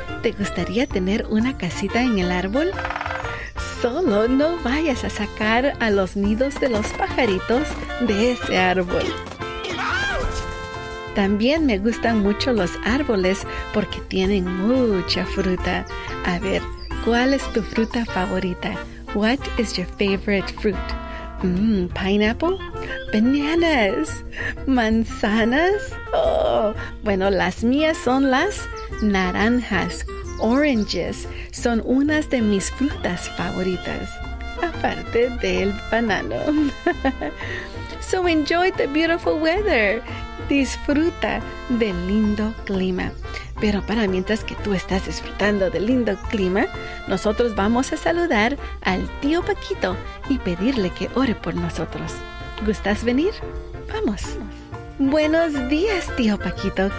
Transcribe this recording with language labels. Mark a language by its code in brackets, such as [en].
[es] ¿Te gustaría tener una casita en el árbol? Solo no vayas a sacar a los nidos de los pajaritos de ese árbol. También me gustan mucho los árboles porque tienen mucha fruta. A ver, ¿cuál es tu fruta favorita? [en] What is your favorite fruit? Pineapple? Bananas? Manzanas? [es] Oh, bueno, las mías son las naranjas. Oranges son unas de mis frutas favoritas. Aparte del banano. [en] So enjoy the beautiful weather. [es] Disfruta del lindo clima. Pero para mientras que tú estás disfrutando del lindo clima, nosotros vamos a saludar al tío Paquito y pedirle que ore por nosotros. ¿Gustas venir? Vamos. Buenos días, tío Paquito.